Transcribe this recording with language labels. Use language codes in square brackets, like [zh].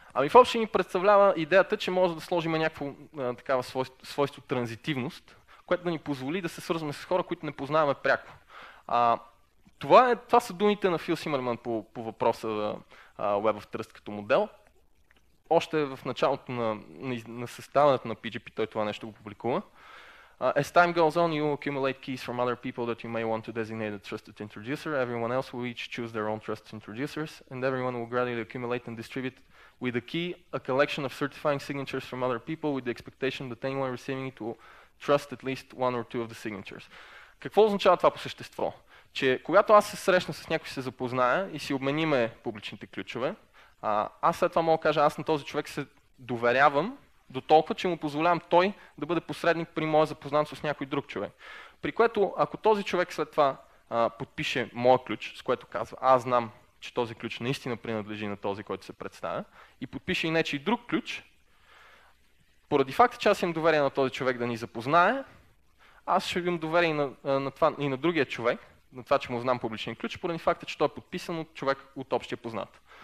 [bg] Ами в общи ми представлява идеята, че може да сложим някакво такава свойство транзитивност, което да ни позволи да се свързваме с хора, които не познаваме пряко. Това са думите на Фил Симърман по въпроса за Web of Trust като модел. Още в началото на съставането на PGP той това нещо го публикува. [en] As time goes on, you accumulate keys from other people that you may want to designate a trusted introducer. Everyone else will each choose their own trusted introducers and everyone will gradually accumulate and distribute with a key, a collection of certifying signatures from other people with the expectation that anyone receiving it will trust at least one or two of the signatures. [bg] Какво означава това по същество? Че когато аз се срещна с някой, се запозная и си обмениме публичните ключове, аз след това мога да кажа, аз на този човек се доверявам до толкова, че му позволявам той да бъде посредник при моя запознанство с някой друг човек. При което, ако този човек след това подпише моя ключ, с което казва, аз знам, че този ключ наистина принадлежи на този, който се представя, и подпише и нечий друг ключ, поради факта, че аз имам доверие на този човек да ни запознае, аз ще имам доверие и на другия човек, на това, че му знам публичния ключ, поради факта, че той е подписан от човек от общия познат.